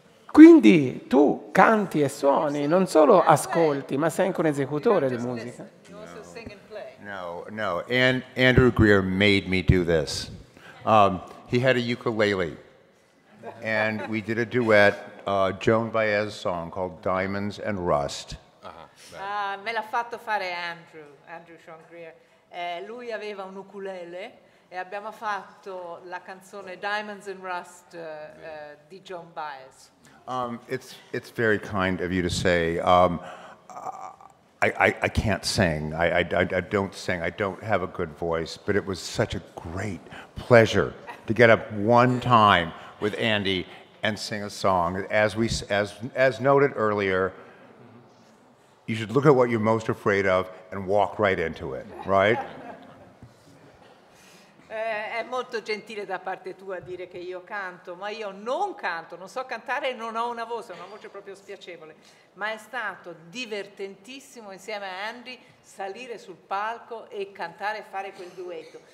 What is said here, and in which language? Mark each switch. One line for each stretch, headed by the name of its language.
Italian: Quindi tu canti e suoni, non solo ascolti, ma sei anche un esecutore di musica. No.
English: And Andrew Greer made me do this. He had a ukulele, and we did a duet, Joan Baez song called Diamonds and Rust.
Italian: Me l'ha fatto fare Andrew Sean Greer. Lui aveva un ukulele e abbiamo fatto la canzone Diamonds and Rust di Joan Baez.
English: It's very kind of you to say. I can't sing. I don't sing. I don't have a good voice. But it was such a great pleasure to get up one time with Andy and sing a song. As noted earlier, you should look at what you're most afraid of and walk right into it. Right?
Italian: È molto gentile da parte tua dire che io canto, ma io non canto, non so cantare e non ho una voce, proprio spiacevole. Ma è stato divertentissimo insieme a Andy salire sul palco e cantare e fare quel duetto.